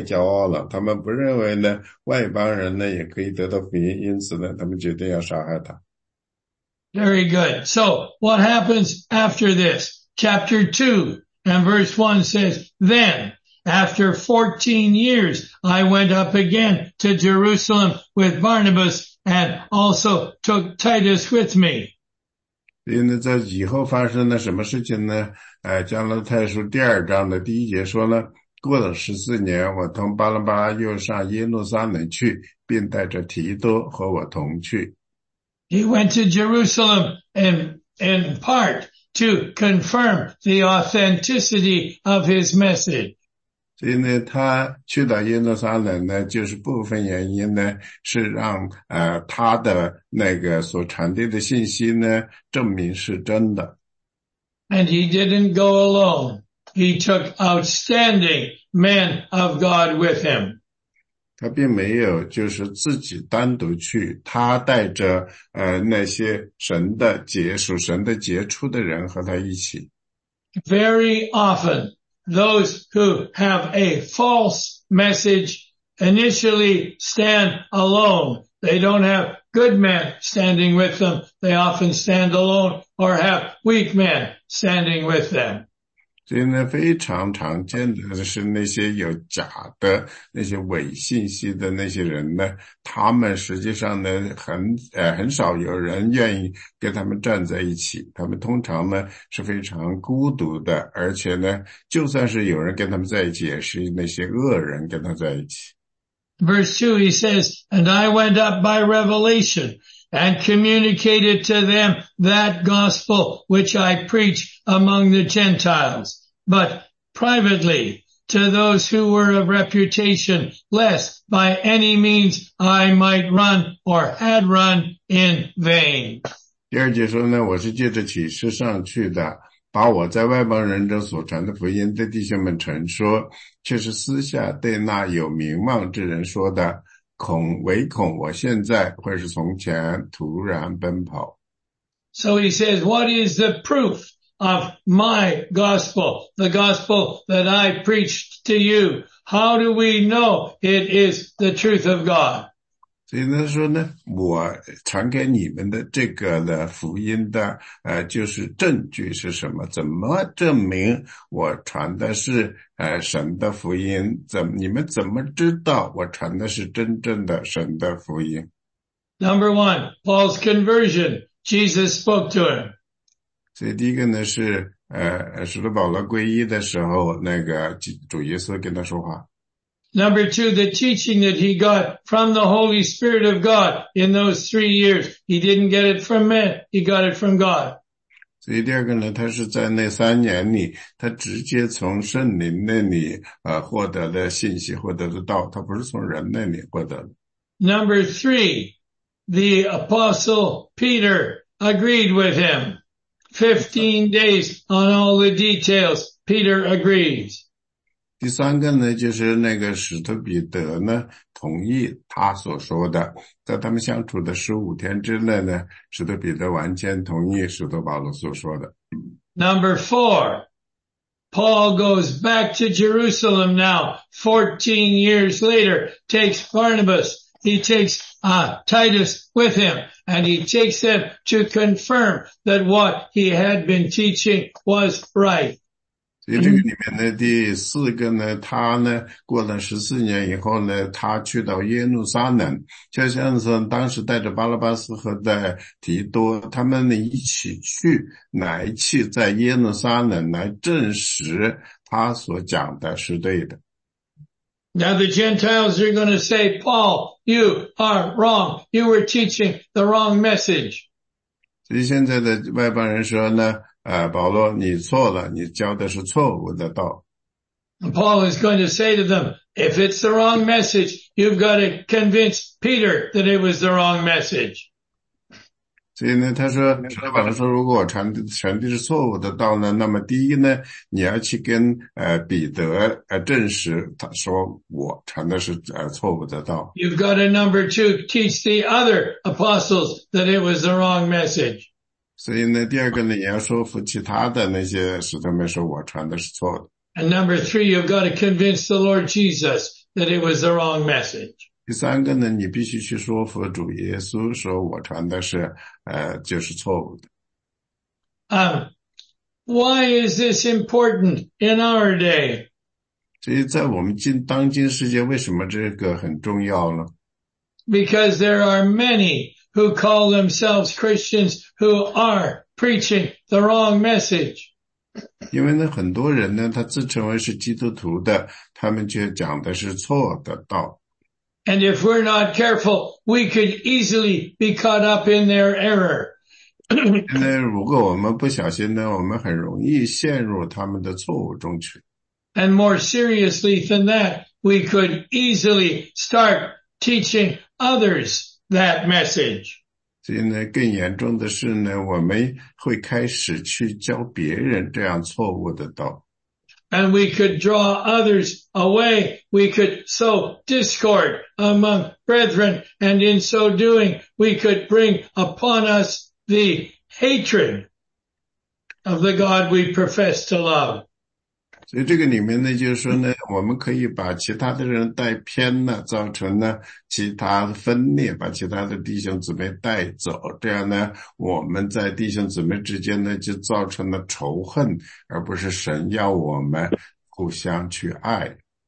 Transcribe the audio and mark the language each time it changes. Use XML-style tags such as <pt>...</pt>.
<zh>他们说呢，就是呢，他跟他们讲，他准备要到外邦人呢去传福音，但是当时犹太人他们太骄傲了，他们不认为呢外邦人呢也可以得到福音，因此呢，他们决定要杀害他。</zh> <en>Very good. So what happens after this? Chapter 2 and verse 1 says, then after 14 years, I went up again to Jerusalem with Barnabas and also took Titus with me.</en> <zh>因为在以后发生了什么事情呢？加拉太书第二章的第一节说呢，过了14年，我同巴拿巴又上耶路撒冷去，并带着提多和我同去。</zh> <en>He went to Jerusalem in part to confirm the authenticity of his message.</en> <zh>所以呢，他去到耶路撒冷呢，就是部分原因呢，是让他的那个所传递的信息呢，证明是真的。</zh> <en>And he didn't go alone. He took outstanding men of God with him.</en> <zh>他并没有就是自己单独去，他带着那些神的杰属神的杰出的人和他一起。</zh> <en>Very often. Those who have a false message initially stand alone. They don't have good men standing with them. They often stand alone or have weak men standing with them.</en> <zh>所以呢，非常常见的是那些有假的、那些伪信息的那些人呢，他们实际上呢，很少有人愿意跟他们站在一起。他们通常呢是非常孤独的，而且呢，就算是有人跟他们在一起，也是那些恶人跟他在一起。</zh> <en>Verse 2, he says, And I went up by revelation. And communicated to them that gospel which I preach among the Gentiles, but privately to those who were of reputation, lest by any means I might run or had run in vain.</en> <zh>第二节说呢，我是借着启示上去的，把我在外邦人中所传的福音对弟兄们陈说，却是私下对那有名望之人说的。唯恐我现在或是从前突然奔跑。</zh> <en>So he says, what is the proof of my gospel, the gospel that I preached to you? How do we know it is the truth of God?</en> <zh>所以他说呢，我传给你们的这个的福音的就是证据是什么？怎么证明我传的是神的福音？你们怎么知道我传的是真正的神的福音</zh> <en>？Number one, Paul's conversion. Jesus spoke to him.</en> <zh>所以第一个呢是使徒保罗皈依的时候，那个主耶稣跟他说话。</zh> <en>Number two, the teaching that he got from the Holy Spirit of God in those 3 years. He didn't get it from men. He got it from God.</en> <zh>所以第二个呢，他是在那三年里，他直接从圣灵那里获得的信息，获得的道，他不是从人那里获得的。</zh> <en>Number three, the Apostle Peter agreed with him. 15 days on all the details, Peter agrees.</en> <zh>第三个呢，就是那个使徒彼得呢，同意他所说的，在他们相处的15天之内呢，使徒彼得完全同意使徒保罗所说的。</zh> <en>Number four, Paul goes back to Jerusalem now, 14 years later, takes Barnabas, he takes Titus with him, and he takes them to confirm that what he had been teaching was right.</en> <zh>所以这个里面的第四个呢，他呢过了14年以后呢，他去到耶路撒冷，就像是当时带着巴拉巴斯和在提多他们呢一起去，乃去在耶路撒冷来证实他所讲的是对的。</zh> <en>Now the Gentiles are going to say, Paul, you are wrong. You were teaching the wrong message.</en> <zh>所以现在的外邦人说呢。保罗你错了，你教的是错误的道。</zh> <en>Paul is going to say to them, if it's the wrong message, you've got to convince Peter that it was the wrong message.</en> <zh>所以呢他说保罗说如果我传递是错误的道呢，那么第一呢你要去跟彼得证实他说我传的是错误的道。</zh> <en>You've got to number two, teach the other apostles that it was the wrong message.</en> <zh>所以呢第二个呢也要说服其他的那些使徒们说我传的是错的。</zh> <en>And number three, you've got to convince the Lord Jesus that it was the wrong message.</en> <zh>第三个呢，你必须去说服主耶稣说我传的是就是错误的。</zh> <en>Why is this important in our day?</en> <zh>所以在我们当今世界为什么这个很重要呢？</zh> <en>Because there are many who call themselves Christians who are preaching the wrong message.</en> <zh>因为呢很多人呢他自称为是基督徒的，他们却讲的是错的道。</zh> <en>And if we're not careful, we could easily be caught up in their error.</en> <zh>那如果我们不小心呢，我们很容易陷入他们的错误中去。</zh> <en>And more seriously than that, we could easily start teaching others that message.</en> <zh>所以呢，更严重的是呢，我们会开始去教别人这样错误的道。</zh> <en>And we could draw others away. We could sow discord among brethren. And in so doing, we could bring upon us the hatred of the God we profess to love.</en> <zh>所以这个里面呢，就是说呢，我们可以把其他的人带偏了，造成呢其他分裂，把其他的弟兄姊妹带走。这样呢，我们在弟兄姊妹之间呢，就造成了仇恨，而不是神要我们互相去爱。</zh>